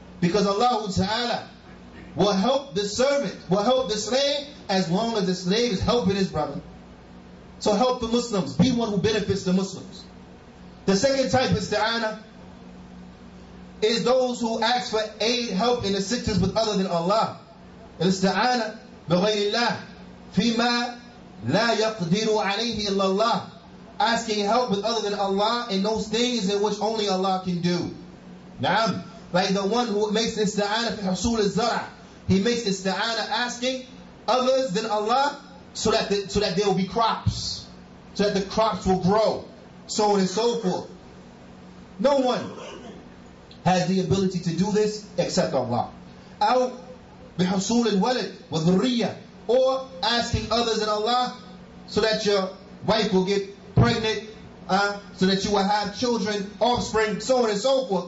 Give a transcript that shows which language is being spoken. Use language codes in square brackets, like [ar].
[en] Because Allah Ta'ala will help the servant, will help the slave, as long as the slave is helping his brother. So help the Muslims. Be one who benefits the Muslims. The second type is ta'ana, is those who ask for aid, help, and assistance with other than Allah. [ar] الاستعانة بغير الله فيما لا يقدر عليه إلا الله. [en] Asking help with other than Allah in those things in which only Allah can do. [ar] نعم. [en] Like the one who makes [ar] استعانة في حصول الزرع. [en] He makes استعانة asking others than Allah so that there will be crops, so that the crops will grow, so on and so forth. No one has the ability to do this except Allah. [ar] أو بحصول الولد وذرية, [en] or asking others in Allah so that your wife will get pregnant, so that you will have children, offspring, so on and so forth.